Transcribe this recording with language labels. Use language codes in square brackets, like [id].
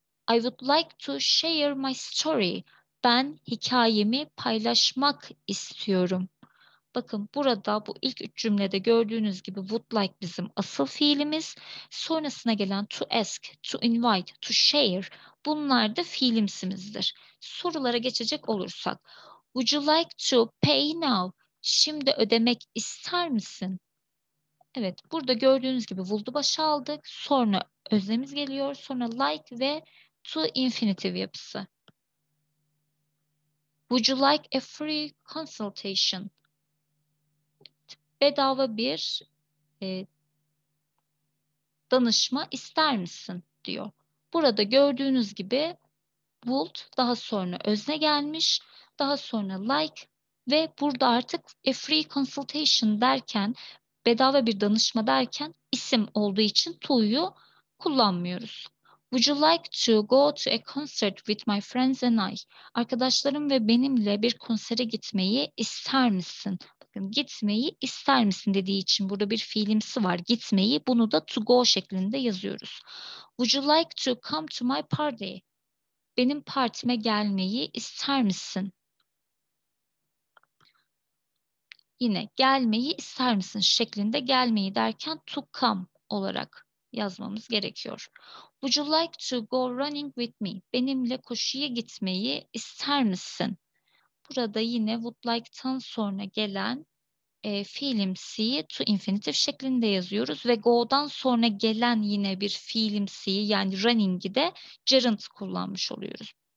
[en] I would like to share my story. [tr] Ben hikayemi paylaşmak istiyorum. Bakın burada bu ilk üç cümlede gördüğünüz gibi would like bizim asıl fiilimiz. Sonrasına gelen to ask, to invite, to share bunlar da fiilimsimizdir. Sorulara geçecek olursak, [en] would you like to pay now? [tr] Şimdi ödemek ister misin? Evet, burada gördüğünüz gibi would'u başa aldık. Sonra özlemimiz geliyor. Sonra like ve to infinitive yapısı. [en] Would you like a free consultation? [tr] Bedava bir danışma ister misin diyor. Burada gördüğünüz gibi would, daha sonra özne gelmiş, daha sonra like ve burada artık [en] a free consultation [tr] derken, bedava bir danışma derken isim olduğu için to'yu kullanmıyoruz. [en] Would you like to go to a concert with my friends and I? [tr] Arkadaşlarım ve benimle bir konsere gitmeyi ister misin? Bakın gitmeyi ister misin dediği için burada bir fiilimsi var. Gitmeyi bunu da to go şeklinde yazıyoruz. [en] Would you like to come to my party? [tr] Benim partime gelmeyi ister misin? Yine gelmeyi ister misin şeklinde gelmeyi derken to come olarak yazmamız gerekiyor. [en] Would you like to go running with me? [tr] Benimle koşuya gitmeyi ister misin? Burada yine would like'tan sonra gelen fiilimsiyi to infinitive şeklinde yazıyoruz ve go'dan sonra gelen yine bir fiilimsiyi yani running'i de gerund kullanmış oluyoruz.